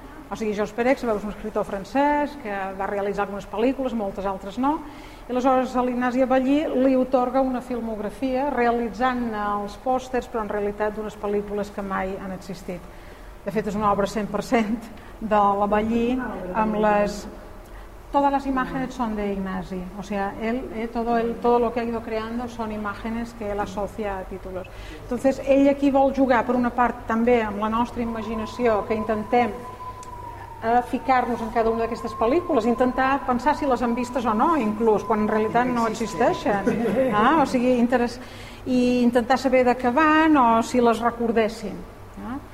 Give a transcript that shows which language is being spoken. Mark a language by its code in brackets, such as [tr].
[ca] O sigui, Georges Perec, sabeu, és un escriptor francès que va realitzar algunes pel·lícules, moltes altres no, i aleshores a l'Ignàsia Ballí li otorga una filmografia realitzant els pòsters, però en realitat d'unes pel·lícules que mai han existit. De fet, és una obra 100% de la Ballí, amb les... [es] todas las imágenes son de Ignasi, o sea, él, todo lo que ha ido creando son imágenes que él asocia a títulos. [ca] Entonces, ell aquí vol jugar, per una part, també amb la nostra imaginació, que intentem ficar-nos en cada una d'aquestes pel·lícules, intentar pensar si les han vistes o no, inclús, quan en realitat no existeixen. Ah, o sigui, i intentar saber de què van o si les recordessin. Ah?